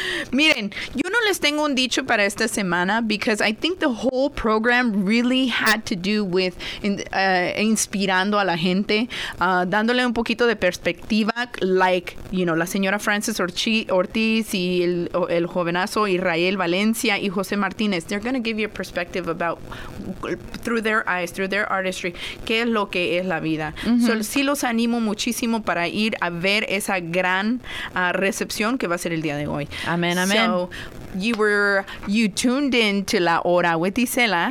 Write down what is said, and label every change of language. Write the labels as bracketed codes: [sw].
[es] Miren, yo no les tengo un dicho para esta semana [en] because I think the whole program really had to do with [es] inspirando a la gente, dándole un poquito de perspectiva, [en] like, you know, [es] la señora Frances Ortiz y el jovenazo Israel Valencia y José Martínez. [en] They're going to give you a perspective about, through their eyes, through their artistry, [es] qué es lo que es la vida. Mm-hmm. So, sí los animo muchísimo para ir a ver esa gran recepción que va a ser el día de hoy. Amén. [en] So, you tuned in to La Hora with Isela